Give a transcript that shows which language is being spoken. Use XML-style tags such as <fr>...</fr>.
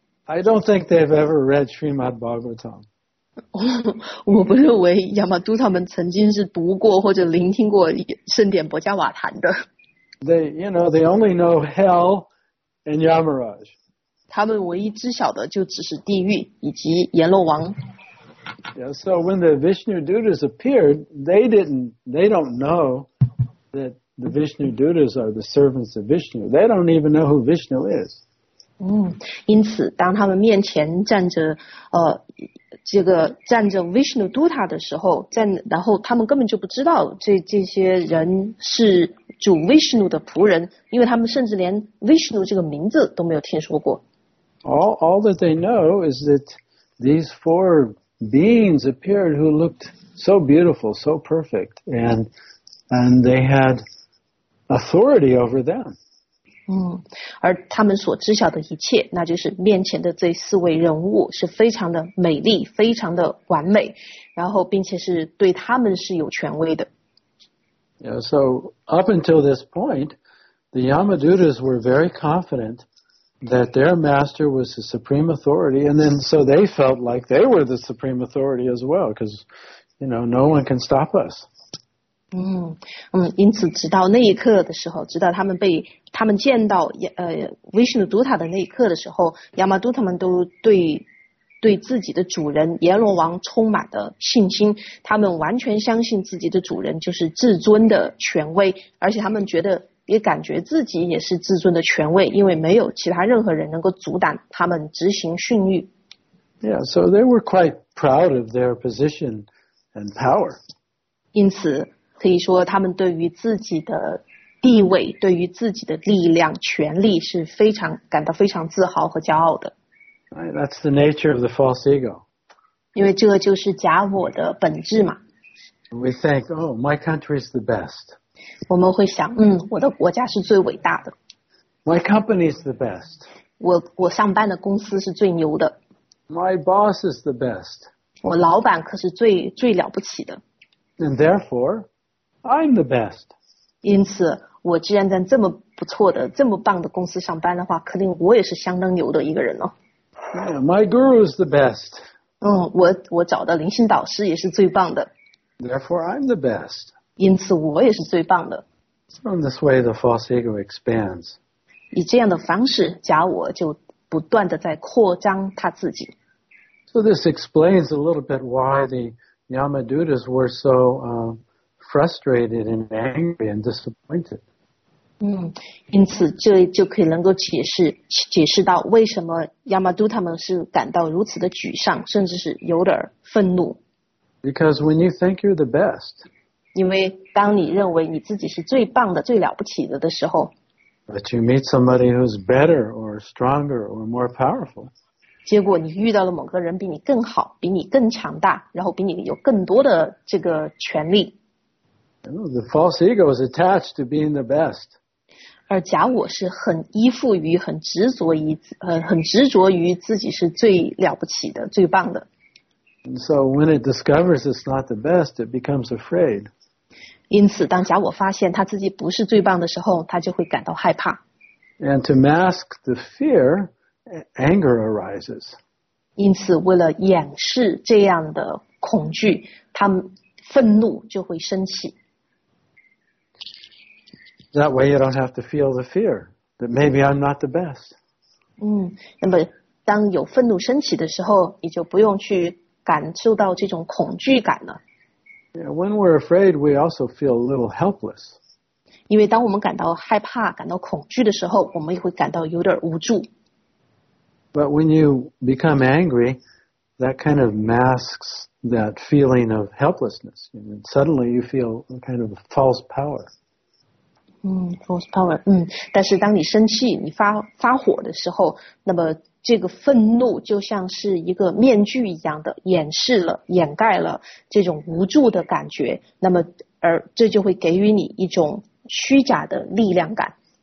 <en>I don't think they've ever read Srimad Bhagavatam.</en> <zh>我不认为亚麻都他们曾经是读过或者聆听过圣典薄伽瓦坛的。</zh> <en>They only know hell and Yamaraj.</en> <zh>他们唯一知晓的就只是地狱以及阎罗王。</zh> <en>Yeah, so when the Vishnu Dutas appeared, they don't know that the Vishnu Dutas are the servants of Vishnu. They don't even know who Vishnu is.</en> <zh>嗯，因此当他们面前站着 Vishnu Dutta 的时候，然后他们根本就不知道这些人是主 Vishnu 的仆人，因为他们甚至连 Vishnu 这个名字都没有听说过。</zh> <en>All that they know is that these four beings appeared who looked so beautiful, so perfect, and they had authority over them.</en> <zh>嗯，而他们所知晓的一切，那就是面前的这四位人物是非常的美丽，非常的完美，然后并且是对他们是有权威的。</zh> <en>Yeah, so up until this point, the Yamadutas were very confident that their master was the supreme authority, and then so they felt like they were the supreme authority as well, because, you know, no one can stop us.</en> <zh>嗯嗯，因此直到那一刻的时候，直到他们被他们见到Vishnu Dutta的那一刻的时候，亚麻都他们都对自己的主人阎罗王充满了信心，他们完全相信自己的主人就是至尊的权威，而且他们觉得也感觉自己也是至尊的权威，因为没有其他任何人能够阻挡他们执行训谕。</zh> <en>Yeah, so they were quite proud of their position and power.</en> <zh>因此可以说他们对于自己的地位，对于自己的力量、权力是非常感到非常自豪和骄傲的。</zh> <en>Right, that's the nature of the false ego.</en> <zh>因为这就是假我的本质嘛。</zh> <en>We think, oh, my country is the best.</en> <zh>我们会想，我的国家是最伟大的。</zh> <en>My company is the best.</en> <zh>我上班的公司是最牛的。</zh> <en>My boss is the best.</en> <zh>我老板可是最最了不起的。</zh> <en>And therefore, I'm the best.</en> <zh>因此，我既然在这么不错的、这么棒的公司上班的话，肯定我也是相当牛的一个人了。</zh> <en>My guru is the best.</en> <zh>我找的灵性导师也是最棒的。</zh> <en>Therefore, I'm the best.</en> <zh>因此，我也是最棒的。</zh> <en>So in this way, the false ego expands.</en> <zh>以这样的方式，假我就不断的在扩张他自己。</zh> <en>So this explains a little bit why the Yamadutas were so frustrated and angry and disappointed.</en> <zh>因此这就可以能够解释到为什么 Yamaduta 们是感到如此的沮丧，甚至是有点愤怒。</zh> <en>Because when you think you're the best,</en> <zh>因为当你认为你自己是最棒的、最了不起的时候，</zh> <en>but you meet somebody who's better or stronger or more powerful.</en> <zh>结果你遇到了某个人比你更好、比你更强大，然后比你有更多的这个权利。</zh> <en>The false ego is attached to being the best.</en> <zh>而假我是很依附于、很执着于自己是最了不起的、最棒的。</zh> <en>And so when it discovers it's not the best, it becomes afraid.</en> <zh>因此，当假我发现他自己不是最棒的时候，他就会感到害怕。</zh> <en>And to mask the fear, anger arises.</en> <zh>因此，为了掩饰这样的恐惧，他愤怒就会升起。</zh> <en>That way you don't have to feel the fear that maybe I'm not the best.</en> <zh>那么当有愤怒升起的时候，你就不用去感受到这种恐惧感了。</zh> <en>Yeah, when we're afraid, we also feel a little helpless.</en> <zh>因为当我们感到害怕、感到恐惧的时候，我们也会感到有点无助。</zh> <en>But when you become angry, that kind of masks that feeling of helplessness. And suddenly you feel a kind of false power. False power.</en> <zh>但是当你生气、你发火的时候，那么这个愤怒就像是一个面具一样的掩饰了、掩盖了这种无助的感觉，那么而这就会给予你一种虚假的力量感。</zh>